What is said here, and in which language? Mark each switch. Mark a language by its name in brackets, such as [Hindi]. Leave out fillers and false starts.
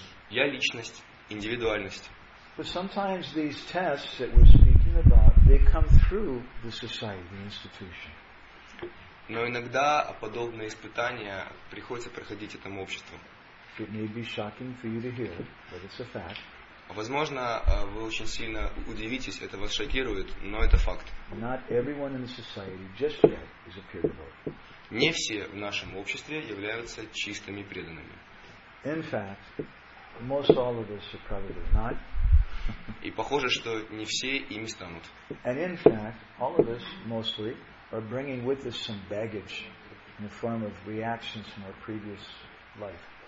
[Russian] Я личность, индивидуальность. [English] But sometimes these tests that we're speaking about, they come through the society, the institution. [Russian] Но иногда подобные испытания приходится проходить этому обществу. [English] It may be shocking for you to hear, but it's a fact. [Russian] Возможно, вы очень сильно удивитесь, это вас шокирует, но это факт. [English] Not everyone in the society just yet is a pure devotee. [Russian] Не все в нашем обществе являются чистыми преданными. [English] In fact, most all of us are probably not. [Russian] И похоже, что не все ими станут. [English] And in fact, all of us mostly are bringing with us some baggage in the form of reactions from our previous life.